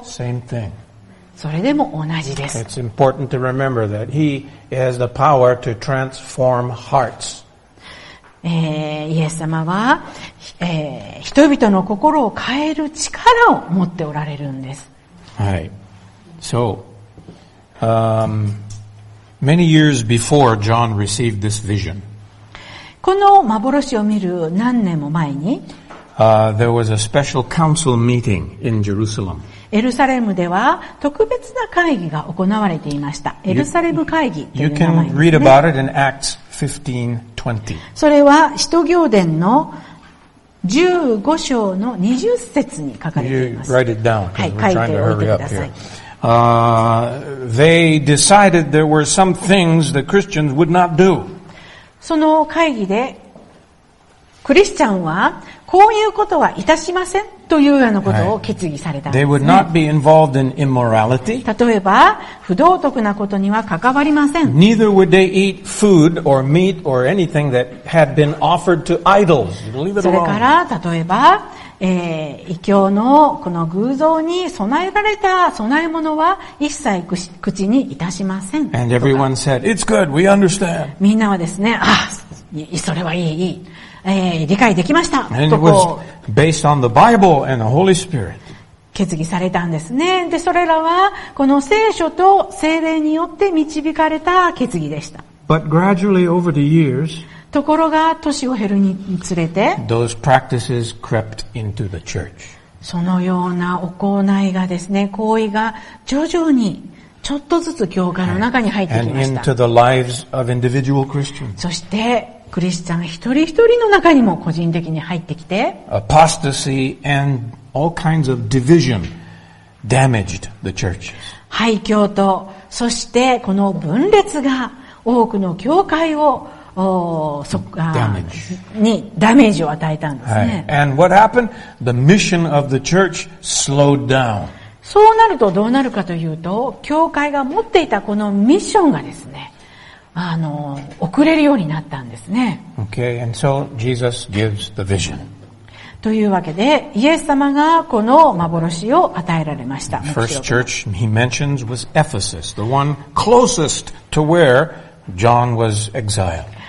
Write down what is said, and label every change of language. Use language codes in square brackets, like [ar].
[en] Same thing. [ja] それでも同じです。 [en] It's important to remember that he has the power to transform hearts. [ja] イエス様は、人々の心を変える力を持っておられるんです。はい。 [en] So, many years before John received this vision. [ja] この幻を見る何年も前に、 [en] there was a special council meeting in Jerusalem. [ja] エルサレムでは特別な会議が行われていました。エルサレム会議という名前ですね。 [en] You can read about it in Acts 15:20. [ja] それは使徒行伝の15章の20節に書かれています。 [en] You write it down, because we're trying to hurry up here. they decided there were some things that Christians would not do. [ja] その会議でクリスチャンはこういうことはいたしませんというようなことを決議されたんですね。 [en] Right. In immorality. [ja] 例えば不道徳なことには関わりません。 [en] Neither would they eat food or meat or anything that had been offered to idols. Leave it alone. [ja] それから例えば、異教のこの偶像に備えられた供え物は一切口にいたしません。 [en] And everyone said, "It's good. We understand." [ja] みんなはですね、あ、それはいい、いい。理解できました。 [en] And it was based on the Bible and the Holy Spirit. [ja] 決議されたんですね。で、それらはこの聖書と聖霊によって導かれた決議でした。 [en] But gradually over the years, [ja] ところが年を減るにつれて、 [en] those practices crept into the church. [ja] そのような行いがですね、行為が徐々にちょっとずつ教会の中に入ってきました。 [en] And into the lives of individual Christians. [ja] そしてクリスチャン一人一人の中にも個人的に入ってきて、 [en] apostasy and all kinds of division damaged the churches. [ja] 廃教と、そしてこの分裂が多くの教会を [en] damage. [ja] にダメージを与えたんですね。 [en] Right. And what happened? The mission of the church slowed down. [ja] そうなるとどうなるかというと、教会が持っていたこのミッションがですね、遅れるようになったんですね。 [en] Okay, and so Jesus gives the vision. [ja] というわけで、イエス様がこの幻を与えられました。 [en] First church he mentions was Ephesus, the one closest to where John was exiled.